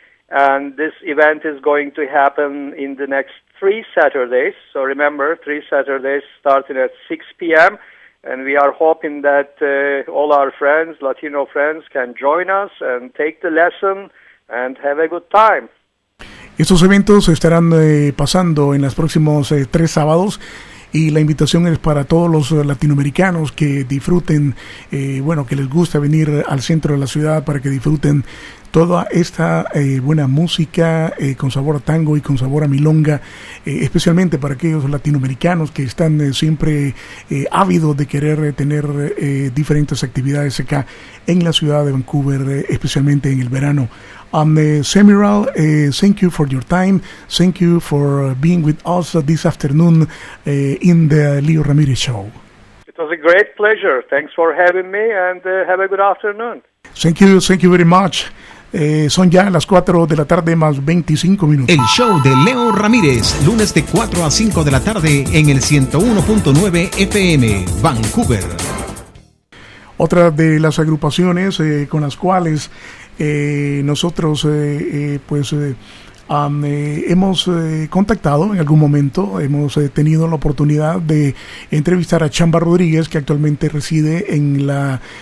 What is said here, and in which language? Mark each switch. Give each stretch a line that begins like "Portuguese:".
English: And this event is going to happen in the next three Saturdays. So remember, three Saturdays starting at 6 p.m. And we are hoping that all our friends, Latino friends, can join us and take the lesson and have a good time.
Spanish: Estos eventos estarán pasando en los próximos tres sábados y la invitación es para todos los latinoamericanos que disfruten, bueno, que les gusta venir al centro de la ciudad para que disfruten toda esta buena música con sabor a tango y con sabor a milonga, especialmente para aquellos latinoamericanos que están siempre ávidos de querer tener diferentes actividades acá en la ciudad de Vancouver, especialmente en el verano.
English: Semiral, thank you for your time. Thank you for being with us this afternoon in the Leo Ramirez Show. It was a great pleasure. Thanks for having me and have a good afternoon. Thank you very much.
Spanish: Son ya las 4 de la tarde más 25 minutos. El show de Leo Ramírez, lunes de 4 a 5 de la tarde en el 101.9 FM, Vancouver. Otra de las agrupaciones con las cuales nosotros pues hemos contactado en algún momento, hemos tenido la oportunidad de entrevistar a Chamba Rodríguez, que actualmente reside en la